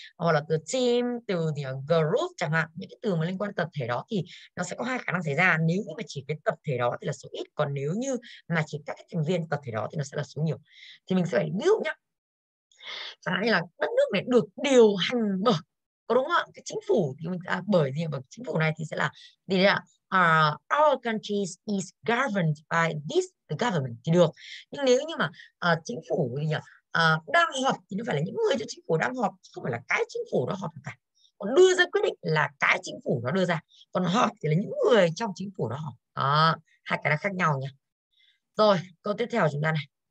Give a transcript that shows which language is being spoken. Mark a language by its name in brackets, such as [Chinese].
[Vietnamese] Hoặc là từ team, từ group chẳng hạn, những cái từ mà liên quan tập thể đó thì nó sẽ có hai khả năng xảy ra. Nếu như mà chỉ cái tập thể đó thì là số ít, còn nếu như mà chỉ các cái thành viên tập thể đó thì nó sẽ là số nhiều. Thì mình sẽ phải ví dụ nhá. Chẳng hạn như là đất nước này được điều hành bởi, có đúng không ạ? Cái chính phủ thì mình à, bởi gì? Bởi chính phủ này thì sẽ là gì đấy ạ? [English] Our country is governed by this government [Vietnamese] thì được. Nhưng nếu như mà chính phủ gì nhỉ? Đang họp thì nó phải là những người cho chính phủ đang họp, không phải là cái chính phủ đó họp cả. Còn đưa ra quyết định là cái chính phủ nó đưa ra, còn họp thì là những người trong chính phủ đó họp. Hai cái này khác nhau nhỉ. Rồi, câu tiếp theo của chúng ta này.